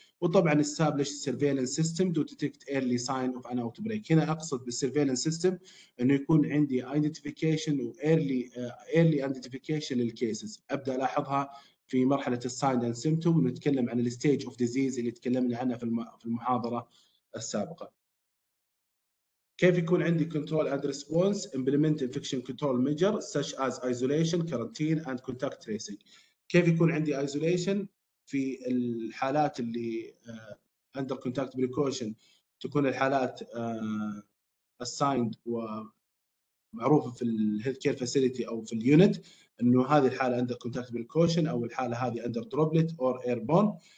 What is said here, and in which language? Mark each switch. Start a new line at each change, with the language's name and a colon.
Arabic: وطبعاً
English: establish surveillance system to detect early sign of an outbreak.
Arabic: هنا أقصد بال
English: surveillance system
Arabic: إنه يكون عندي identification و
English: early identification
Arabic: للcases. أبدأ ألاحظها في مرحلة
English: sign and symptom.
Arabic: نتكلم عن
English: stage of disease
Arabic: اللي تكلمنا عنها في المحاضرة السابقة. كيف يكون عندي
English: control and response implement infection control measure such as isolation, quarantine and contact tracing.
Arabic: كيف يكون عندي isolation في الحالات اللي
English: under contact precaution،
Arabic: تكون الحالات assigned ومعروفة في ال
English: healthcare facility
Arabic: أو في اليونت أنه هذه الحالة under contact precaution أو الحالة هذه
English: under droplet or airborne.